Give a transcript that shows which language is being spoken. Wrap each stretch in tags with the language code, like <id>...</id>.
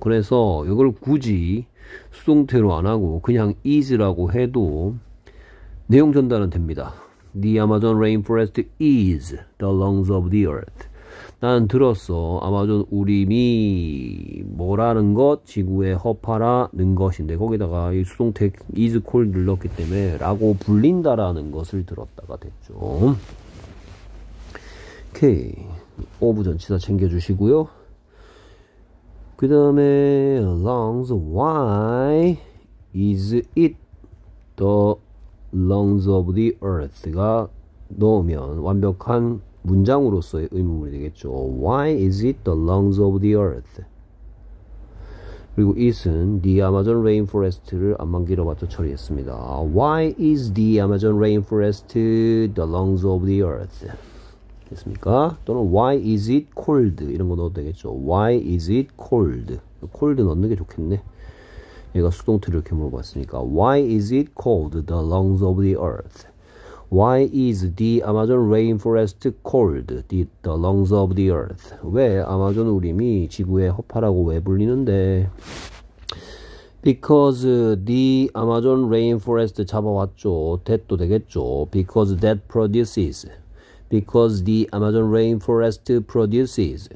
<ko>그래서 이걸 굳이 수동태로 안 하고 그냥 is라고 해도 내용 전달은 됩니다.</ko> <en>The Amazon rainforest is the lungs of the earth.</en> <ko>나는 들었어. 아마존 우림이 뭐라는 것? 지구의 허파라는 것인데 거기다가 이 수동태 is called를 넣었기 때문에 라고 불린다라는 것을 들었다가 됐죠. 오케이. 오브 전치사 챙겨주시고요. 그 다음에 lungs</ko> <en>why is it the lungs of the earth</en> <ko>가 넣으면 완벽한 문장으로서의 의문이 되겠죠.</ko> <en>Why is it the lungs of the earth?</en> <ko>그리고 it은 the Amazon rainforest를 암만 길어봤자 처리했습니다.</ko> <en>Why is the Amazon rainforest the lungs of the earth?</en> <ko>됐습니까? 또는</ko> <en>why is it cold?</en> <ko>이런 거 넣어도 되겠죠.</ko> <en>Why is it cold? cold</en> <ko>넣는 게 좋겠네. 얘가 수동태를 이렇게 물어봤으니까.</ko> <en>Why is it cold the lungs of the earth? Why is the Amazon rainforest called the lungs of the earth?</en> <ko>왜 아마존 우림이 지구의 허파라고 왜 불리는데?</ko> <en>Because the Amazon rainforest</en> <ko>잡아왔죠.</ko> <en>That도</en> <ko>되겠죠.</ko> <en>Because that produces. Because the Amazon rainforest produces.</en>